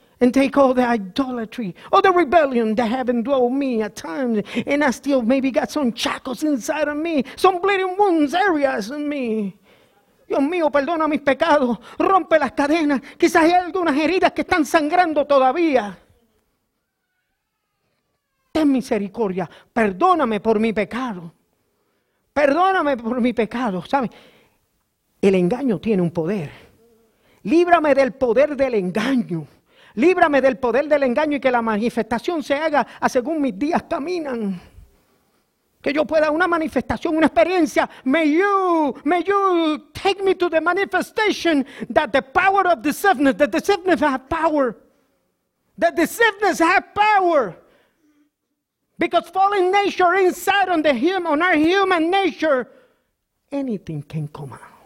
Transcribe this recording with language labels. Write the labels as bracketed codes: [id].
[en] And take all the idolatry, all the rebellion that have indwelled me at times. And I still maybe got some shackles inside of me. Some bleeding wounds areas in me. [es] Dios mío, perdona mis pecados. Rompe las cadenas. Quizás hay algunas heridas que están sangrando todavía. Ten misericordia, perdóname por mi pecado. Perdóname por mi pecado, ¿sabes? El engaño tiene un poder. Líbrame del poder del engaño. Líbrame del poder del engaño y que la manifestación se haga a según mis días caminan. Que yo pueda una manifestación, una experiencia. [en] May you take me to the manifestation that the power of deceitfulness, that deceitfulness have power. That deceitfulness have power. Because fallen nature inside on the human, on our human nature, anything can come out.